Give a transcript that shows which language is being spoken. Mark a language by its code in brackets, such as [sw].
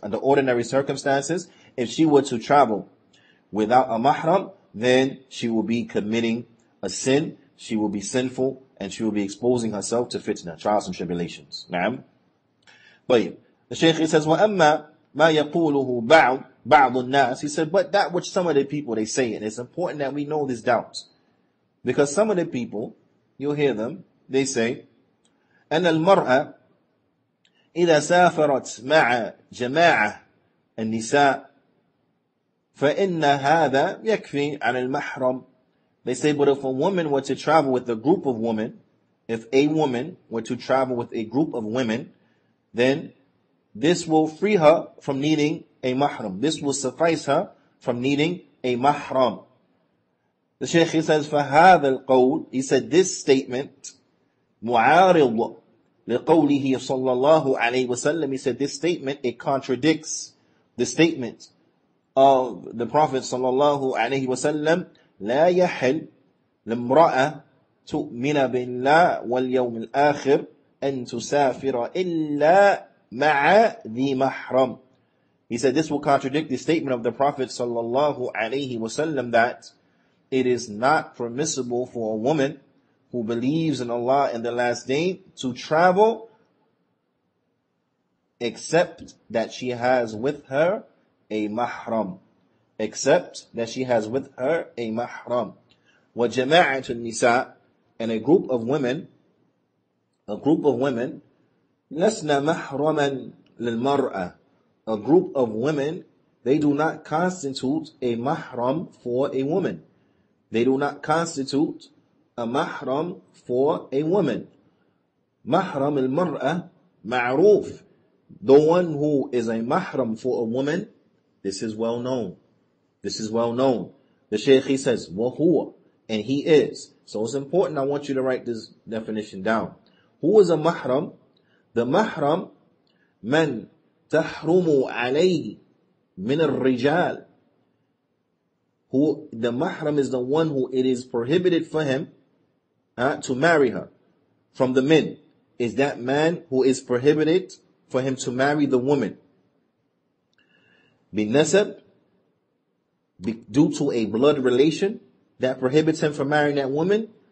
[en] Under ordinary circumstances, if she were to travel without a mahram, then she will be committing a sin, she will be sinful and she will be exposing herself to fitna, trials and tribulations. Naam. طيب. The Shaykh, he says, [ar] وَأَمَّا مَا يَقُولُهُ بَعْضُ النَّاسِ. [en] He said, but that which some of the people, they say, and it's important that we know this doubt. Because some of the people, you'll hear them, they say, [ar] أَنَّ الْمَرْأَ إِذَا سَافَرَتْ مَعَ جَمَاعَةِ النِّسَاءِ فَإِنَّ هَذَا يَكْفِي عَنِ الْمَحْرَمِ. [en] They say, but if a woman were to travel with a group of women, if a woman were to travel with a group of women, then this will free her from needing a mahram. This will suffice her from needing a mahram. The Shaykh, he says, [ar] فَهَذَا الْقَوْلِ, [en] he said, this statement, [ar] مُعَارِضُ لِقَوْلِهِ صَلَّى اللَّهُ عَلَيْهِ وَسَلَّمِ, [en] he said, this statement, it contradicts the statement of the Prophet [ar] صلى الله عليه وسلم, لَا يَحِلْ لِمْرَأَ تُؤْمِنَ بِاللَّهِ وَالْيَوْمِ الْآخِرِ أَن تُسَافِرَ إِلَّا مَعَ ذِي مَحْرَمٍ. [en] He said, this will contradict the statement of the Prophet صلى الله عليه وسلم that it is not permissible for a woman who believes in Allah in the last day to travel except that she has with her a mahram. Except that she has with her a mahram. [ar] وَجَمَاعَةُ النِّسَاءِ, [en] and a group of women, a group of women, [ar] لَسْنَا مَحْرَمًا لِلْمَرْأَةِ, [en] a group of women, they do not constitute a mahram for a woman. They do not constitute a mahram for a woman. [ar] مَحْرَمُ الْمَرْأَةِ مَعْرُوفٌ, [en] the one who is a mahram for a woman, this is well known. This is well known. The Shaykh, he says, وَهُوَ, and he is. So it's important, I want you to write this definition down. Who is a mahram? [ar] The mahram, من تحرم عليه من الرجال. [en] Who, the mahram is the one who it is prohibited for him to marry her from the men. Is that man who is prohibited for him to marry the woman. بالنسب, due to a blood relation that prohibits him from marrying that woman.